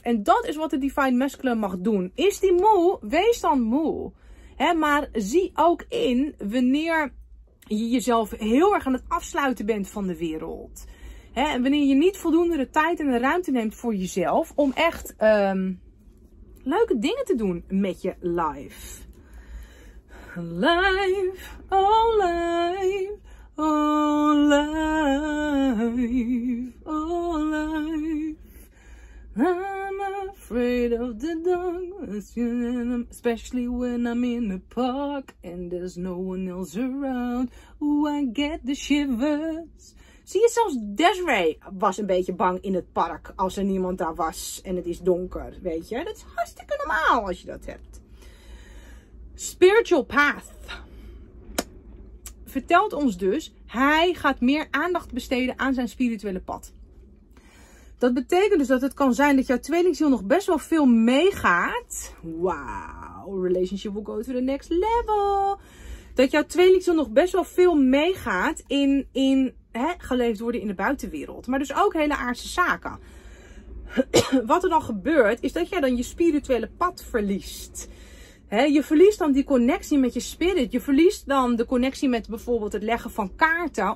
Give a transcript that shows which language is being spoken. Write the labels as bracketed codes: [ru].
[nl] En dat is wat de Divine Masculine mag doen. Is die moe? Wees dan moe. Hè? Maar zie ook in wanneer je jezelf heel erg aan het afsluiten bent van de wereld. He, en wanneer je niet voldoende de tijd en de ruimte neemt voor jezelf om echt leuke dingen te doen met je life. [en] Life, oh life, oh life, oh life. I'm afraid of the dark, especially when I'm in the park and there's no one else around. Oh, I get the shivers. [nl] Zie je, zelfs Desiree was een beetje bang in het park als er niemand daar was en het is donker, weet je. Dat is hartstikke normaal als je dat hebt. Spiritual Path vertelt ons dus, hij gaat meer aandacht besteden aan zijn spirituele pad. Dat betekent dus dat het kan zijn dat jouw tweelingziel nog best wel veel meegaat. [en] Wow, relationship will go to the next level. [nl] Dat jouw tweelingziel nog best wel veel meegaat in hè, geleefd worden in de buitenwereld. Maar dus ook hele aardse zaken. Wat er dan gebeurt, is dat jij dan je spirituele pad verliest. Hè, je verliest dan die connectie met je spirit. Je verliest dan de connectie met bijvoorbeeld het leggen van kaarten.